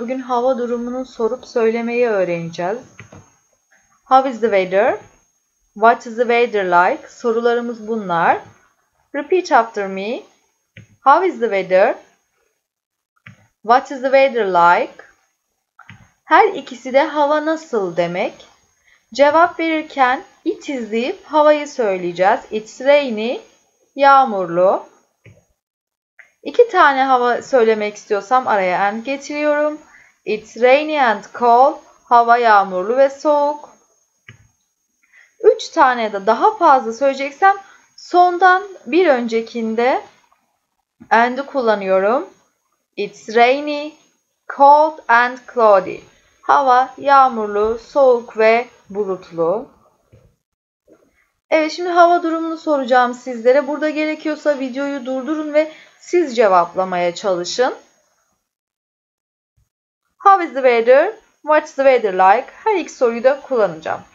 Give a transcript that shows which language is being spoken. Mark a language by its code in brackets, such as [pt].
[tr] Bugün hava durumunu sorup söylemeyi öğreneceğiz. [en] How is the weather? What is the weather like? [tr] Sorularımız bunlar. [en] Repeat after me. How is the weather? What is the weather like? [tr] Her ikisi de hava nasıl demek. Cevap verirken it izleyip havayı söyleyeceğiz. [en] It's rainy. [tr] Yağmurlu. İki tane hava söylemek istiyorsam araya and getiriyorum. It's rainy and cold. Hava yağmurlu ve soğuk. Üç tane ya da daha fazla söyleyeceksem sondan bir öncekinde and'ı kullanıyorum. [en] It's rainy, cold and cloudy. [tr] Hava yağmurlu, soğuk ve bulutlu. Evet, şimdi hava durumunu soracağım sizlere. Burada gerekiyorsa videoyu durdurun ve siz cevaplamaya çalışın. [en] How is the weather? What's the weather like? [tr] Her iki soruyu da kullanacağım.